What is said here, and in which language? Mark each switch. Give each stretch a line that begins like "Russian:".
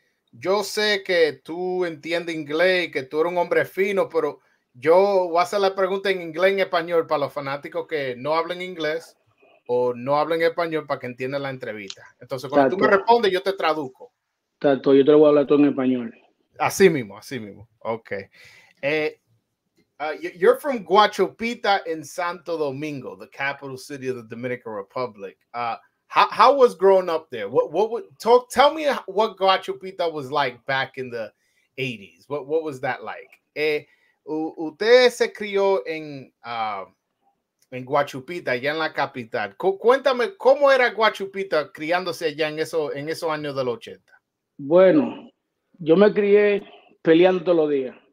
Spanish: Yo sé que tú entiendes inglés y que tú eres un hombre fino, pero yo voy a hacer la pregunta en inglés y en español para los fanáticos que no hablan inglés o no hablan español para que entiendan la entrevista. Entonces, cuando tú me respondes, yo te traduzco. Tato, yo te lo voy a hablar todo en español. Así mismo. Ok.
English: You're from Guachupita in Santo Domingo, the capital city of the Dominican Republic. How was growing up there? Tell me what Guachupita was like back in the 80s. What was that like?
Spanish: Usted se crió en Guachupita, allá en la capital. Cuéntame, ¿cómo era Guachupita criándose allá en eso años del 80? Bueno, yo me crié peleando todos los días.